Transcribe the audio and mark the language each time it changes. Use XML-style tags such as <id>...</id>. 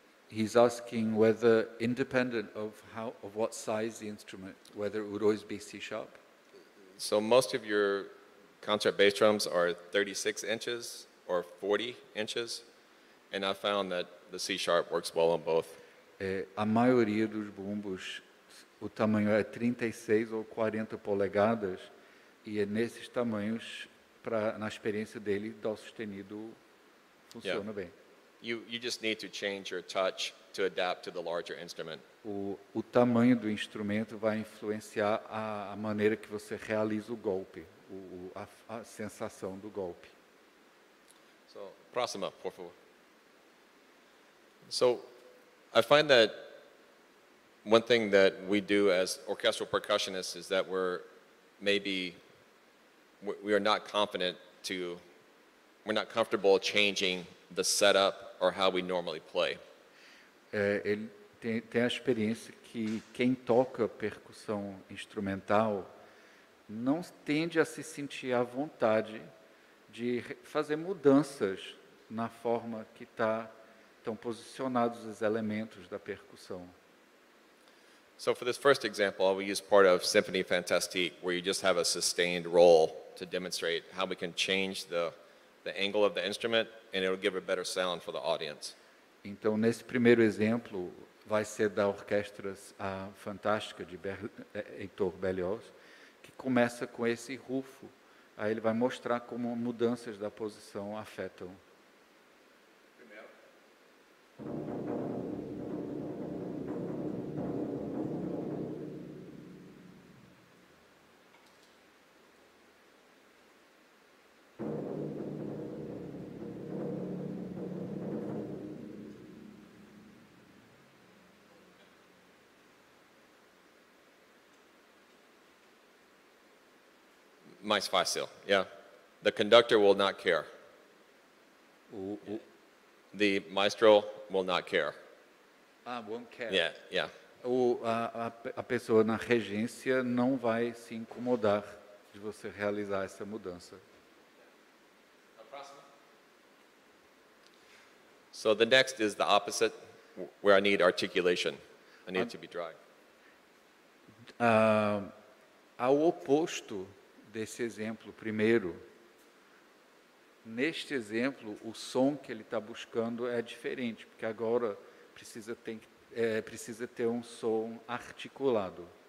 <en>He's asking whether, independent of how, of what size the instrument, whether it would always be C sharp. So most of your concert bass drums are 36 inches or 40 inches, and I found that the C sharp works well on both.</en> <pt>A maioria dos bumbos, o tamanho é 36 ou 40 polegadas, e é nesses tamanhos, para na experiência dele, dó sustenido funciona bem.</pt> <en>You just need to change your touch to adapt to the larger instrument.</en> <pt>O tamanho do instrumento vai influenciar a maneira que você realiza o golpe, a sensação do golpe. So, próxima, por favor.</pt> <en>So, I find that one thing that we do as orchestral percussionists is that we're not comfortable changing the setup or how we normally play.</en> <pt>Ele tem a experiência que quem toca percussão instrumental não tende a se sentir à vontade de fazer mudanças na forma que estão posicionados os elementos da percussão.</pt> <en>So for this first example, I will use part of Symphony Fantastique, where you just have a sustained roll to demonstrate how we can change the angle of the instrument, and it will give a better sound for the audience.</en> <pt>Então, nesse primeiro exemplo, vai ser da orquestra fantástica de Heitor Berlioz, que começa com esse rufo. Aí ele vai mostrar como mudanças da posição afetam. Primeiro. Mais fácil,</pt> <en>yeah. The conductor will not care. The maestro will not care. Won't care. Yeah.</en> <pt>A pessoa na regência não vai se incomodar de você realizar essa mudança. A próxima.</pt> <en>So the next is the opposite, where I need articulation. I need to be dry.</en> <pt>Ao oposto desse exemplo primeiro, neste exemplo o som que ele está buscando é diferente, porque agora precisa ter um som articulado.</pt>